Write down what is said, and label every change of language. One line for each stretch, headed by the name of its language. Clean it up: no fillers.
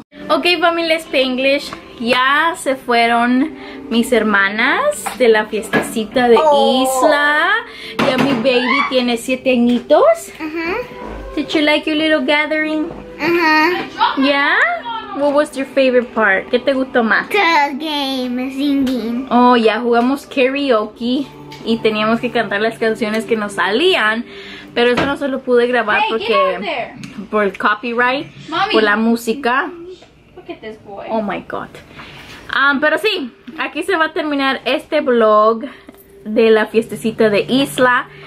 Spanish: Okay, familia Spanglish, ya se fueron mis hermanas de la fiestecita de Isla. Ya mi baby tiene 7 añitos.
English: Did you like your little gathering? Yeah? What was your favorite part?
Spanish: ¿Qué te gustó más?
English: The game, singing.
Spanish: Oh, ya jugamos karaoke. Y teníamos que cantar las canciones que nos salían. Pero eso no se lo pude grabar porque... por el copyright.
English: Mommy.
Spanish: Por la música.
English: Look at this boy. Oh my god.
Spanish: Pero sí, aquí se va a terminar este vlog de la fiestecita de Isla.